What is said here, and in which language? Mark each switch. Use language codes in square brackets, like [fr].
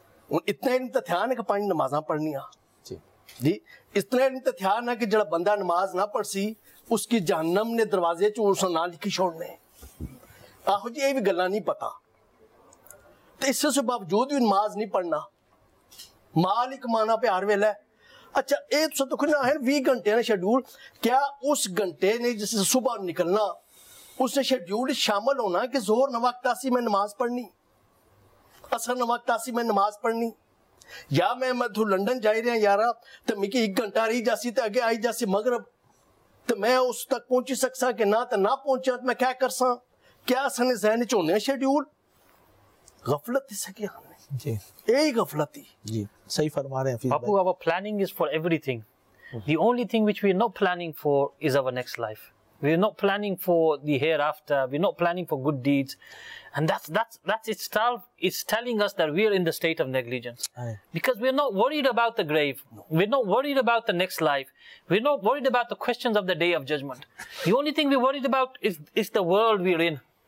[pa] اتنا علم تے تھیا نا کہ پانچ نمازاں پڑھنی آ جی, جی اتنا علم تے تھیا نا کہ جڑا بندہ نماز نہ پڑھ سی اس کی جہنم نے دروازے چوں اس نال لکھی چھوڑنے, آخو جی یہ بھی گلا نہیں پتا, تو اس سے باوجود بھی نماز نہیں پڑھنا, مال ہی کمانا پہ ہر ویلا ਅੱਛਾ ਇਹ ਤੁਸੀਂ ਦੇਖੋ ਨਾ ਹੈ 20 ਘੰਟੇ ਦਾ ਸ਼ੈਡਿਊਲ, ਕਿਆ ਉਸ ਘੰਟੇ ਨੇ ਜਿਸ ਸਵੇਰ ਨਿਕਲਣਾ ਉਸ ਸ਼ੈਡਿਊਲ ਸ਼ਾਮਲ ਹੋਣਾ ਕਿ ਜ਼ੋਹਰ ਨਾ ਵਕਤ ਆਸੀ ਮੈਂ ਨਮਾਜ਼ ਪੜ੍ਹਨੀ, ਅਸਰ ਨਾ ਵਕਤ ਆਸੀ ਮੈਂ ਨਮਾਜ਼ ਪੜ੍ਹਨੀ, ਜਾਂ ਮੈਂ ਤੂੰ ਲੰਡਨ ਜਾ ਰਿਹਾ ਯਾਰਾ ਤੇ ਮੈਨੂੰ 1 ਘੰਟਾ ਰਹੀ ਜਾਸੀ ਤੇ ਅੱਗੇ ਆਈ ਜਾਸੀ ਮਗਰਬ ਤੇ ਮੈਂ ਉਸ ਤੱਕ ਪਹੁੰਚ ਸਕਸਾਂ ਕਿ ਨਾ ਤੇ ਨਾ ਪਹੁੰਚਾਂ ਤੇ ਮੈਂ ਕਿਆ ਕਰਸਾਂ? ਕਿਆ ਅਸਾਂ ਨੇ ਜ਼ਹਿਨ ਚ ਹੋਣਿਆ ਸ਼ੈਡਿਊਲ ਗਫਲਤ ਇਸ ਕੀ ਹਾਂ ਜੀ, ਇਹ ਗਫਲਤ ਹੀ ਜੀ ਸਹੀ ਫਰਮਾ ਰਹੇ ਹਾਂ ਬਾਪੂ। [en] our planning is for everything, the only thing which we are not planning for is our next life, we are not planning for the hereafter, we are not planning for good deeds, and that's telling us that we are in the state of negligence, because we are not worried about the grave, we are not worried about the next life, we are not worried about the questions of the day of judgment, the only thing we worried about is the world we are in,